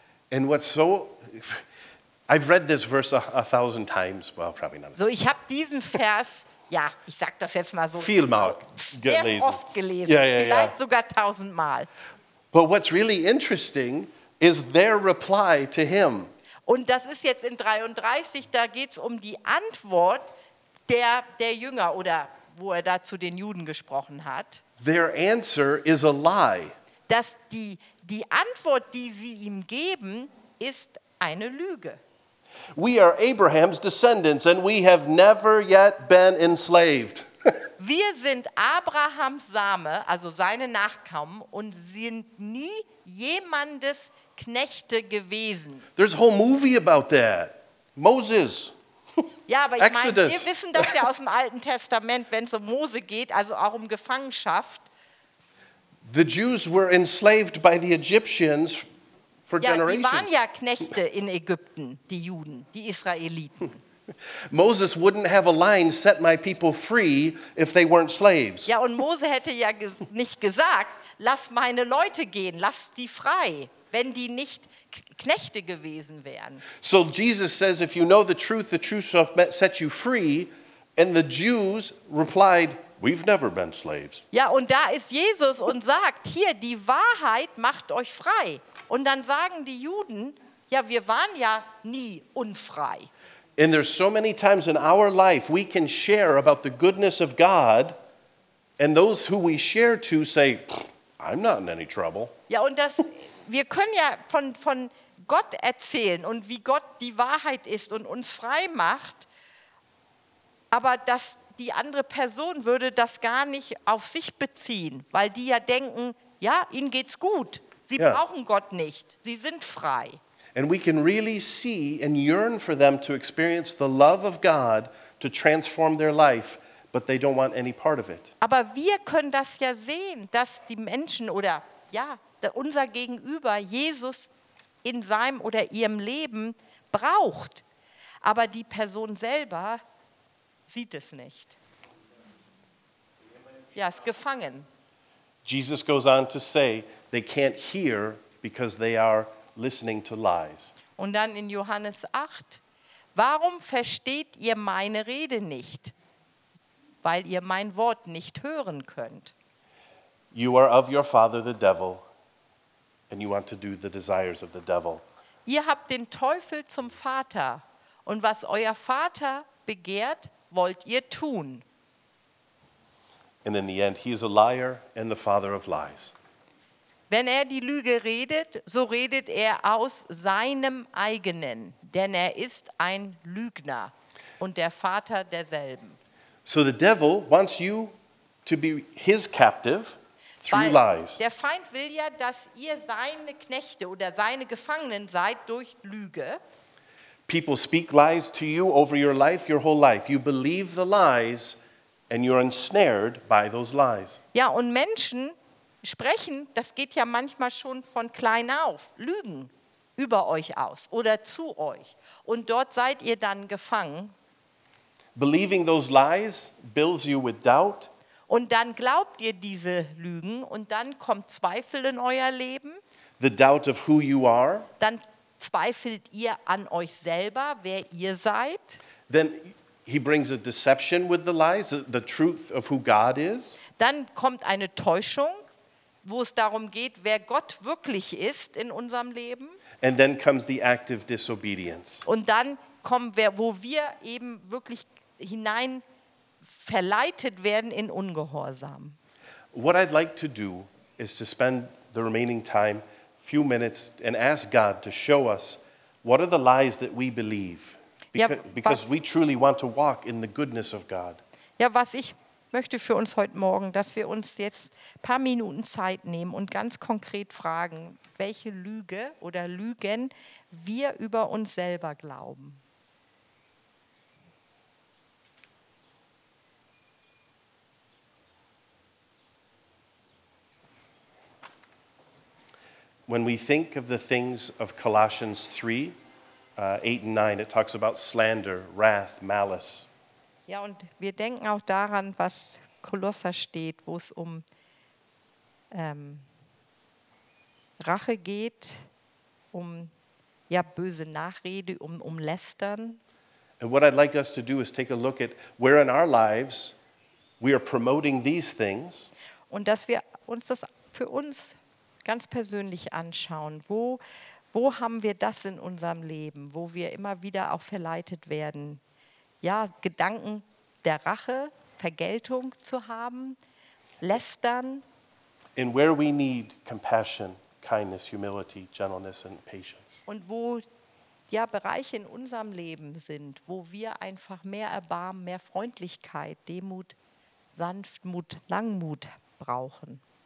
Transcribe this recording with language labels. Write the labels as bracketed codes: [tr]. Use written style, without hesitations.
[en] And what's so, I've read this verse a thousand times. Well, probably not. [de] So, ich habe diesen Vers, ja, ich sag das jetzt mal so, viel mal gelesen. Sehr oft gelesen, vielleicht sogar tausendmal. [en] But what's really interesting is their reply to him. [de] Und das ist jetzt in 33, da geht's um die Antwort der Jünger oder wo er da zu den Juden gesprochen hat. [en] Their answer is a lie. [de] Dass die Antwort, die sie ihm geben, ist eine Lüge. [en] We are Abraham's descendants and we have never yet been enslaved. [de] Wir sind Abrahams Same, also seine Nachkommen, und sind nie jemandes Knechte gewesen. [en] There's a whole movie about that. Moses. [de] Ja, aber ich meine, wir wissen das ja aus dem Alten Testament, wenn es um Mose geht, also auch um Gefangenschaft. [en] The Jews were enslaved by the Egyptians for generations. [de] Ja, die waren ja Knechte in Ägypten, die Juden, die Israeliten. [en] Moses wouldn't have a line set my people free if they weren't slaves. [de] Ja, und Mose hätte ja nicht gesagt, lass meine Leute gehen, lass die frei, wenn die nicht Knechte gewesen wären. [en] So Jesus says, if you know the truth shall set you free. And the Jews replied, we've never been slaves. [de] Ja, und da ist Jesus und sagt, hier, die Wahrheit macht euch frei. Und dann sagen die Juden, ja, wir waren ja nie unfrei. [en] And there's so many times in our life we can share about the goodness of God and those who we share to say, I'm not in any trouble. [de] Ja, und das, wir können ja von Gott erzählen und wie Gott die Wahrheit ist und uns frei macht, aber dass die andere Person würde das gar nicht auf sich beziehen, weil die ja denken, ja, ihnen geht's gut. Sie brauchen Gott nicht. Sie sind frei. [en] And we can really see and yearn for them to experience the love of God to transform their life, but they don't want any part of it. [de] Aber wir können das ja sehen, dass die Menschen oder ja, unser Gegenüber Jesus in seinem oder ihrem Leben braucht. Aber die Person selber sieht es nicht. Ja, ist gefangen. [en] Jesus goes on to say, they can't hear because they are listening to lies. [de] Und dann in Johannes 8, warum versteht ihr meine Rede nicht? Weil ihr mein Wort nicht hören könnt. [en] You are of your father the devil and you want to do the desires of the devil. [de] Ihr habt den Teufel zum Vater und was euer Vater begehrt, wollt ihr tun. [en] And in the end, he is a liar and the father of lies. [de] Wenn er die Lüge redet, so redet er aus seinem eigenen, denn er ist ein Lügner und der Vater derselben. [en] So the devil wants you to be his captive through lies. [de] Der Feind will ja, dass ihr seine Knechte oder seine Gefangenen seid durch Lüge. [en] People speak lies to you over your life, your whole life. You believe the lies and you're ensnared by those lies. [de] Ja, und Menschen sprechen, das geht ja manchmal schon von klein auf, Lügen über euch aus oder zu euch. Und dort seid ihr dann gefangen. [en] Believing those lies builds you with doubt. [de] Und dann glaubt ihr diese Lügen und dann kommt Zweifel in euer Leben. [en] The doubt of who you are. [de] Dann zweifelt ihr an euch selber, wer ihr seid. [en] Then he brings a deception with the lies, the truth of who God is. [de] Dann kommt eine Täuschung, wo es darum geht, wer Gott wirklich ist in unserem Leben. [en] And then comes the act of disobedience. [de] Und dann kommen wir, wo wir eben wirklich hinein verleitet werden in Ungehorsam. [en] What I'd like to do is to spend the remaining time, few minutes, and ask God to show us what are the lies that we believe, because we truly want to walk in the goodness of God. [de] Ja, was ich möchte für uns heute Morgen, dass wir uns jetzt ein paar Minuten Zeit nehmen und ganz konkret fragen, welche Lüge oder Lügen wir über uns selber glauben. [en] When we think of the things of Colossians 3, 8 and 9, it talks about slander, wrath, malice. [de] Ja, und wir denken auch daran, was Kolosser steht, wo es um Rache geht, um ja, böse Nachrede, um Lästern. [en] And what I'd like us to do is take a look at where in our lives we are promoting these things. [de] Und dass wir uns das für uns ganz persönlich anschauen, wo haben wir das in unserem Leben, wo wir immer wieder auch verleitet werden, ja, Gedanken der Rache, Vergeltung zu haben, Lästern. [en] And where we need compassion, kindness, humility, gentleness and patience. [de] Und wo ja Bereiche in unserem Leben sind, wo wir einfach mehr Erbarmen, mehr Freundlichkeit, Demut, Sanftmut, Langmut brauchen.